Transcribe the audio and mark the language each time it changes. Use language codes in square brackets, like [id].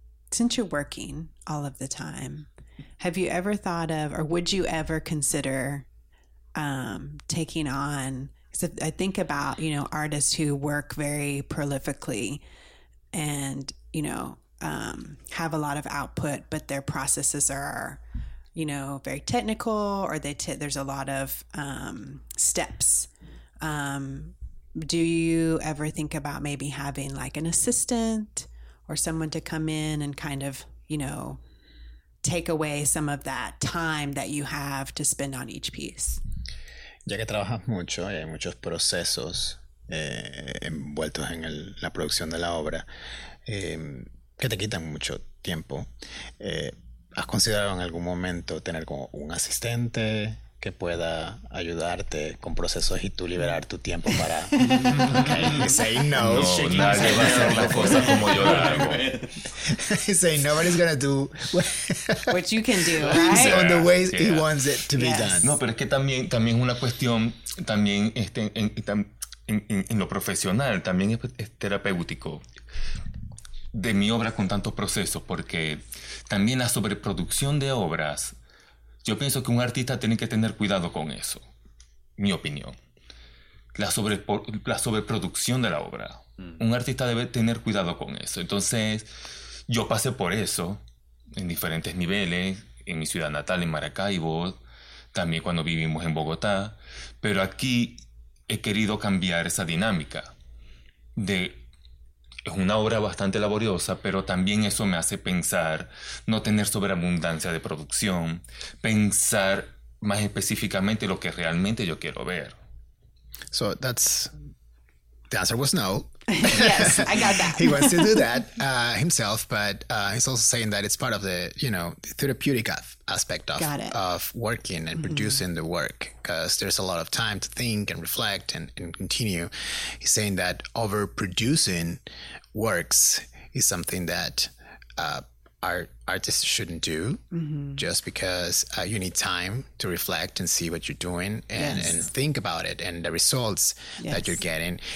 [en] Since you're working all of the time, have you ever thought of, or would you ever consider taking on, because I think about, you know, artists who work very prolifically and, you know, have a lot of output, but their processes are, you know, very technical, or they there's a lot of steps. Do you ever think about maybe having like an assistant or someone to come in and kind of, you know, take away some of that time that you have to spend on each piece? [es] Ya que trabajas mucho y hay muchos procesos envueltos en la producción de la obra que te quitan mucho tiempo, ¿has considerado en algún momento tener como un asistente que pueda ayudarte con procesos y tú liberar tu tiempo para [en] say no? [es] No, nadie va a hacer la cosa como yo la hago. [en] Say nobody's gonna do what you can do, right? So on the way he wants it to be done. [es] No, pero es que también es una cuestión también en lo profesional, también es terapéutico de mi obra con tantos procesos, porque también la sobreproducción de obras, yo pienso que un artista tiene que tener cuidado con eso, mi opinión. La sobreproducción de la obra. Un artista debe tener cuidado con eso. Entonces, yo pasé por eso en diferentes niveles, en mi ciudad natal, en Maracaibo, también cuando vivimos en Bogotá. Pero aquí he querido cambiar esa dinámica. Es una obra bastante laboriosa, pero también eso me hace pensar no tener sobreabundancia de producción, pensar más específicamente lo que realmente yo quiero ver. [en] So that's, the answer was no. Yes, I got that. He wants to do that himself, but he's also saying that it's part of the, you know, the therapeutic aspect of working and producing the work, because there's a lot of time to think and reflect and continue. He's saying that overproducing works is something that artists shouldn't do, just because you need time to reflect and see what you're doing and think about it and the results that you're getting.